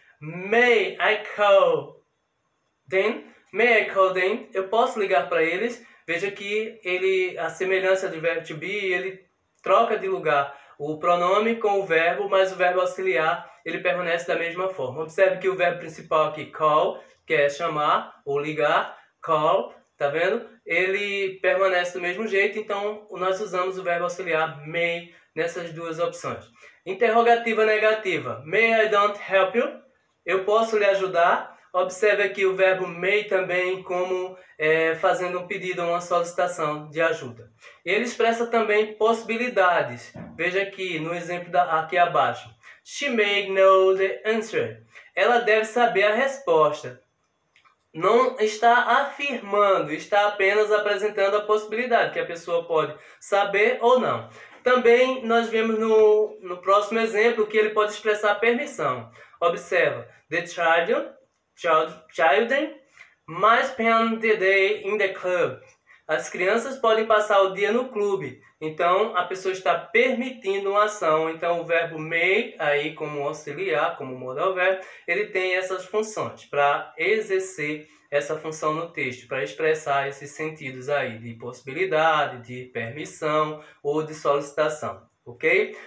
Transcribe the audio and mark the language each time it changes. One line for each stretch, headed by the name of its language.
English: May I call Then, may I call them?
Portuguese: Eu posso ligar para eles? Veja que ele, a semelhança do verbo to be, ele troca de lugar o pronome com o verbo, mas o verbo auxiliar ele permanece da mesma forma. Observe que o verbo principal aqui, call, que é chamar ou ligar, call, tá vendo? Ele permanece do mesmo jeito, então nós usamos o verbo auxiliar may nessas duas opções. Interrogativa negativa.
English: May I don't help you?
Portuguese: Eu posso lhe ajudar? Observe aqui o verbo may também como fazendo um pedido ou uma solicitação de ajuda. Ele expressa também possibilidades. Veja aqui no exemplo aqui abaixo.
English: She may know the answer.
Portuguese: Ela deve saber a resposta. Não está afirmando, está apenas apresentando a possibilidade que a pessoa pode saber ou não. Também nós vemos no próximo exemplo que ele pode expressar permissão.
English: Observa, the child. Children must spend the day in the club.
Portuguese: As crianças podem passar o dia no clube. Então, a pessoa está permitindo uma ação. Então, o verbo may, aí como auxiliar, como modal verbo, ele tem essas funções para exercer essa função no texto, para expressar esses sentidos aí de possibilidade, de permissão ou de solicitação. Ok?